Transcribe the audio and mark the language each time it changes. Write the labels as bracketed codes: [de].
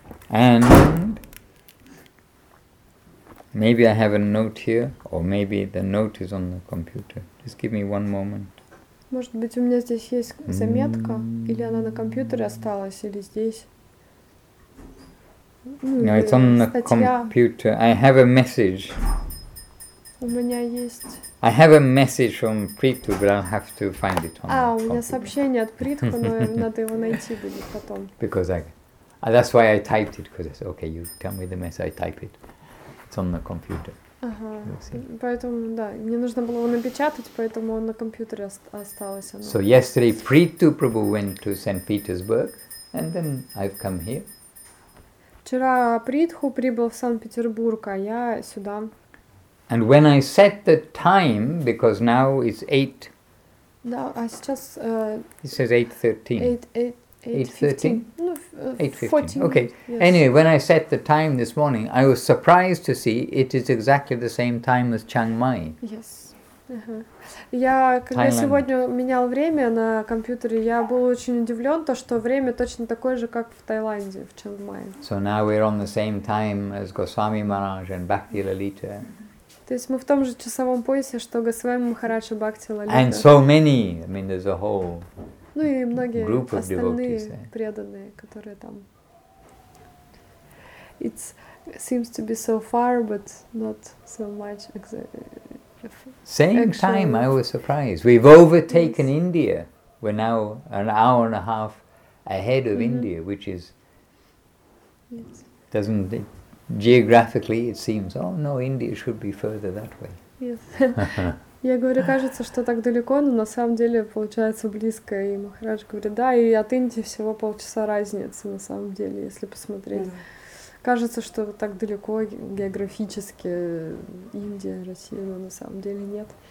[en] And maybe I have a note here, or maybe the note is on the computer. Just give me one moment. [ru] Может быть, у меня здесь есть заметка, или она на компьютере осталась, или здесь. [en] No, it's on the computer. I have a message. [ru] У меня есть... [en] I have a message from Preetu, but I'll have to find it on the computer. [ru] У меня сообщение от Preetu, но надо его найти будет потом. [en] Because I... That's why I typed it, because I said, okay, you tell me the message, I type it. It's on the computer. [ru] Ага, поэтому, да, мне нужно было его напечатать, поэтому он на компьютере осталось. Оно. [en] So yesterday Preetu Prabhu went to St. Petersburg, and then I've come here. [ru] Вчера Preetu прибыл в Санкт-Петербург, а я сюда. [en] And when I set the time, because now it's 8... [ru] Да, а сейчас... [en] It says 8.13. 8.13? 8.15, okay. Yes. Anyway, when I set the time this morning, I was surprised to see it is exactly the same time as Chiang Mai. Yes. Uh-huh. [ru] Я, когда [en] Thailand. [ru] Сегодня менял время на компьютере, я был очень удивлен, то, что время точно такое же, как в Таиланде, в Чанг Май. [en] So now we're on the same time as Goswami Maharaj and Bhakti Lalita. [ru] То есть мы в том же часовом поясе, что Госвами Махарадж и Бхакти Лалита. [en] And so many, I mean, there's a whole... [ru] Ну и многие остальные преданные, которые там. [en] It seems to be so far, but not so much. Same time, I was surprised. We've overtaken India. We're now an hour and a half ahead of India, which is... Doesn't it, geographically it seems, oh no, India should be further that way. Yes. [ru] Я говорю, кажется, что так далеко, но на самом деле получается близко. И Махарадж говорит, да, и от Индии всего полчаса разница, на самом деле, если посмотреть. Mm-hmm. Кажется, что так далеко географически Индия, Россия, но на самом деле нет.